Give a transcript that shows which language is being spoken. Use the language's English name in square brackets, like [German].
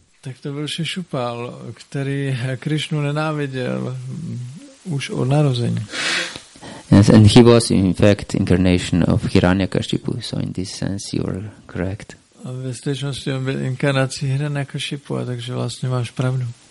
[Czech] Tak to byl Shishupal, který Krishnu nenáviděl už od narození. [English] Yes, and he was in fact incarnation of Hiranyakashipu, so in this sense you are correct. [Czech] A ve skutečnosti on byl inkarnací Hiranyaka Šipua, takže vlastně máš pravdu.